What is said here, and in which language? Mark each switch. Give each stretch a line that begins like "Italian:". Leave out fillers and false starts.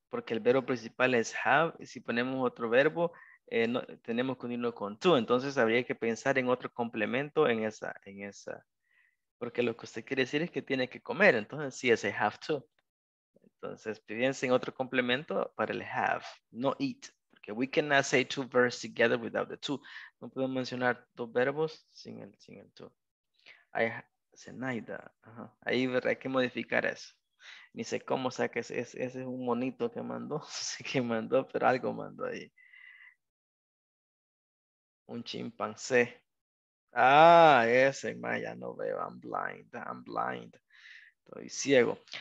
Spanish: Porque el verbo principal es have. Y si ponemos otro verbo, no, tenemos que unirlo con to. Entonces habría que pensar en otro complemento en esa. En esa. Porque lo que usted quiere decir es que tiene que comer. Entonces, sí, es I have to. Entonces, piensen en otro complemento para el have.
English: No eat. Porque we cannot say two verbs together without the to.
Spanish: No podemos mencionar dos verbos sin el to. I have Zenaida. Ahí hay que modificar eso. Ni sé cómo, o sea, que ese es un monito que mandó. Que mandó, pero algo mandó ahí. Un chimpancé. Ah, ese, Maya, no veo,
English: I'm blind,
Spanish: estoy ciego.